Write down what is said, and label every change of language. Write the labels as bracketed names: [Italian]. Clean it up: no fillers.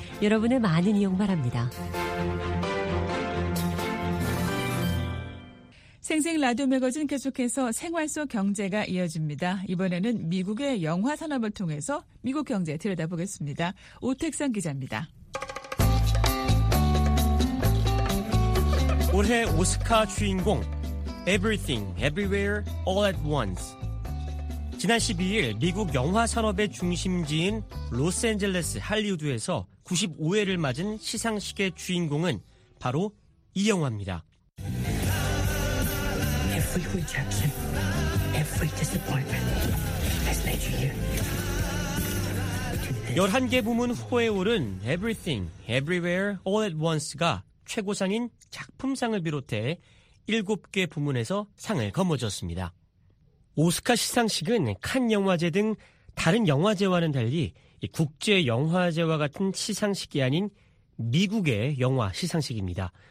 [Korean] 여러분의 많은 이용 바랍니다. 생생 라디오 매거진 계속해서 생활 속 경제가 이어집니다. 이번에는 미국의 영화 산업을 통해서 미국 경제 들여다보겠습니다. 오택상 기자입니다. 올해 오스카 주인공 Everything, Everywhere, All at Once. 지난 12일 미국 영화 산업의 중심지인 로스앤젤레스 할리우드에서 95회를 맞은 시상식의 주인공은 바로 이 영화입니다. [English] Every rejection, every disappointment has made you here. [Korean] 11개 부문 후보에 오른 Everything, Everywhere, All at Once가 최고상인 작품상을 비롯해 7개 부문에서 상을 거머쥐었습니다. 오스카 시상식은 칸 영화제 등 다른 영화제와는 달리 국제 영화제와 같은 시상식이 아닌 미국의 영화 시상식입니다.